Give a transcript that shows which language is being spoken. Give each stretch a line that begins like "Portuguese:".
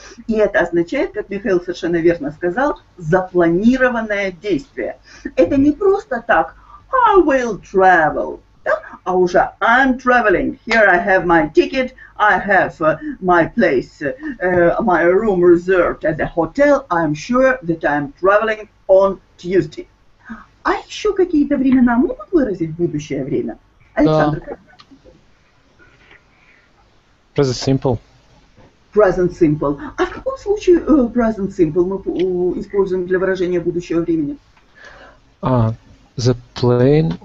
Russian: И это означает, как Михаил совершенно верно сказал, запланированное действие. Это не просто так
English: «I will travel»,
Russian: да? А уже
English: «I'm traveling, here I have my ticket, I have my place, my room reserved at the hotel, I'm sure that I'm traveling on Tuesday».
Russian: А еще какие-то времена могут выразить будущее время? Александр.
English: Present simple. Present simple.
Russian: А в каком случае present simple мы используем для выражения будущего времени?
English: The plane.